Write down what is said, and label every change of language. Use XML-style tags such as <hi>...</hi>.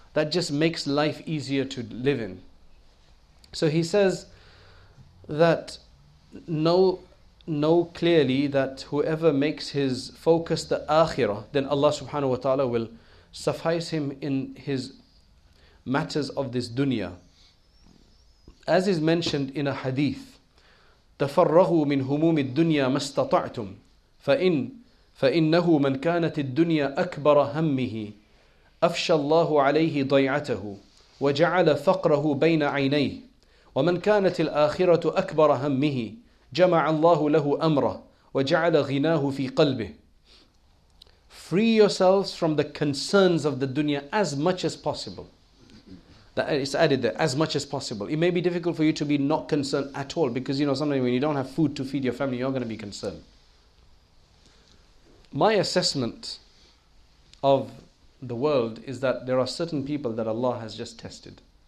<en>That just makes life easier to live in. So he says that know clearly that whoever makes his focus the Akhirah, then Allah subhanahu wa ta'ala will suffice him in his matters of this dunya. As is mentioned in a hadith,</en> <ar>تَفَرَّغُوا مِنْ هُمُومِ الدُّنْيَا مَا اسْتَطَعْتُمْ فَإِنَّهُ مَنْ كَانَتِ الدُّنْيَا أَكْبَرَ هَمِّهِ أَفْشَى اللَّهُ عَلَيْهِ ضَيْعَتَهُ وَجَعَلَ فَقْرَهُ بَيْنَ عَيْنَيْهِ وَمَنْ كَانَتِ الْآخِرَةُ أَكْبَرَ هَمِّهِ جَمَعَ اللَّهُ لَهُ أَمْرَهُ وَجَعَلَ غِنَاهُ فِي قَلْبِهِ.</ar> <en>Free yourselves from the concerns of the dunya as much as possible. That it's added there, as much as possible. It may be difficult for you to be not concerned at all because, you know, sometimes when you don't have food to feed your family, you're going to be concerned. My assessment of the world is that there are certain people that Allah has just tested.</en>